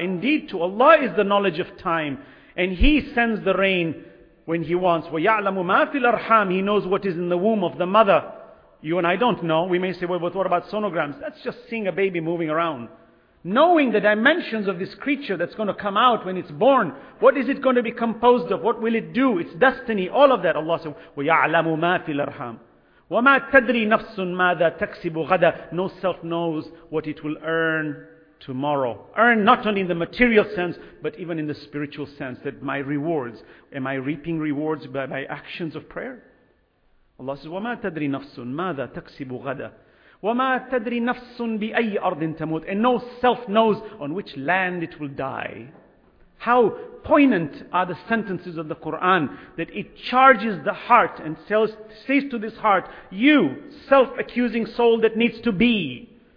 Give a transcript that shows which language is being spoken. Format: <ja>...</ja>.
<en>Indeed, to Allah is the knowledge of time, and He sends the rain when He wants.</en> <ar>وَيَعْلَمُ مَا فِي الْأَرْحَامِ.</ar> <en>He knows what is in the womb of the mother. You and I don't know. We may say, well, but what about sonograms? That's just seeing a baby moving around. Knowing the dimensions of this creature that's going to come out when it's born. What is it going to be composed of? What will it do? Its destiny. All of that. Allah said,</en> <ar>وَيَعْلَمُ مَا فِي الْأَرْحَامِ. وَمَا تَدْرِي نَفْسٌ مَاذَا تَكْسِبُ غَدًا.</ar> <en>No self knows what it will earn tomorrow. Earn not only in the material sense, but even in the spiritual sense. That my rewards, am I reaping rewards by my actions of prayer? Allah says,</en> <ar>وَمَا تَدْرِي نَفْسٌ مَاذَا تَكْسِبُ غَدًا. وَمَا تَدْرِي نَفْسٌ بِأَيِّ أَرْضٍ تَمُوتُ.</ar> <en>And no self knows on which land it will die. How poignant are the sentences of the Quran that it charges the heart and says to this heart, you self-accusing soul that needs to be,</en>